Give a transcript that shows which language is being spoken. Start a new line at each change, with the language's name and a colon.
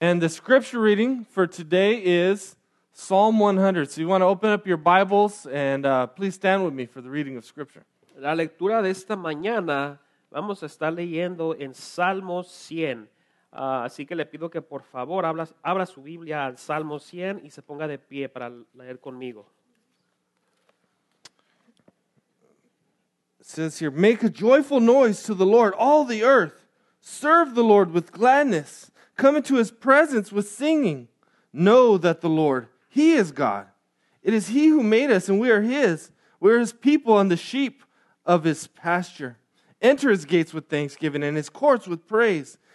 English: And the scripture reading for today is Psalm 100. So you want to open up your Bibles and please stand with me for the reading of scripture.
Spanish: La lectura de esta mañana, vamos a estar leyendo en Salmo 100. Así que le pido que por favor abra su Biblia al Salmo 100 y se ponga de pie para leer conmigo.
English: It says here, make a joyful noise to the Lord, all the earth. Serve the Lord with gladness. Come into his presence with singing. Know that the Lord, he is God. It is he who made us, and we are his. We are his people and the sheep of his pasture. Enter his gates with thanksgiving and his courts with praise.